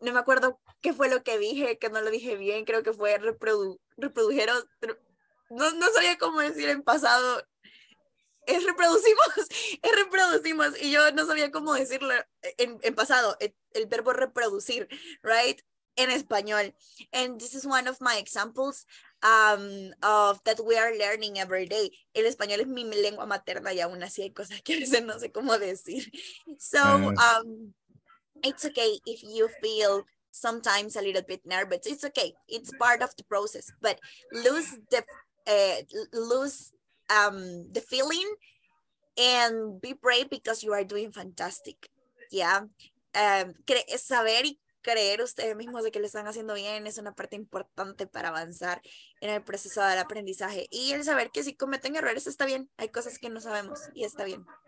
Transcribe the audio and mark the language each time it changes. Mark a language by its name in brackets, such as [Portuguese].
[Spanish] No me acuerdo qué fue lo que dije, que no lo dije bien. Creo que fue reprodujeron. No sabía cómo decir en pasado. Es reproducimos. Y yo no sabía cómo decirlo en pasado. El verbo reproducir, right? En español. [English] And this is one of my examples of that we are learning every day. [Spanish] El español es mi lengua materna y aún así hay cosas que a veces no sé cómo decir. [English] So it's okay if you feel sometimes a little bit nervous. It's okay. It's part of the process. But lose the feeling and be brave because you are doing fantastic. Yeah. [Spanish] Saber y creer ustedes mismos de que lo están haciendo bien es una parte importante para avanzar en el proceso del aprendizaje. Y el saber que si cometen errores está bien. Hay cosas que no sabemos y está bien.